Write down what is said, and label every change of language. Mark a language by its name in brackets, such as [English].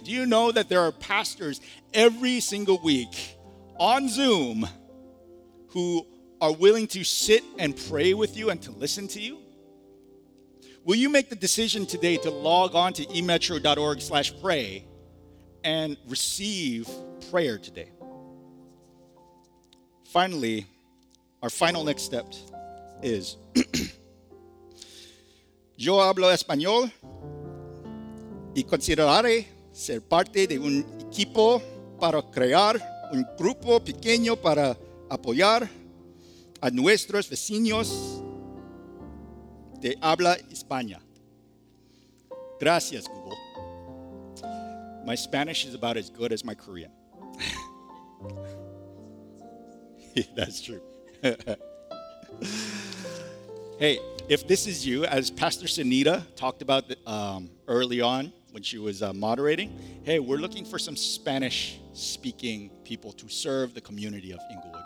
[English] Do you know that there are pastors every single week on Zoom who are willing to sit and pray with you and to listen to you? Will you make the decision today to log on to emetro.org/pray and receive prayer today? Finally, our final next step is [Spanish] yo hablo español y consideraré ser parte de un equipo para crear un grupo pequeño para apoyar a nuestros vecinos de habla España. Gracias, Google. [English] My Spanish is about as good as my Korean. That's true. Hey, if this is you, as Pastor Sunita talked about early on when she was moderating, hey, we're looking for some Spanish-speaking people to serve the community of Inglewood.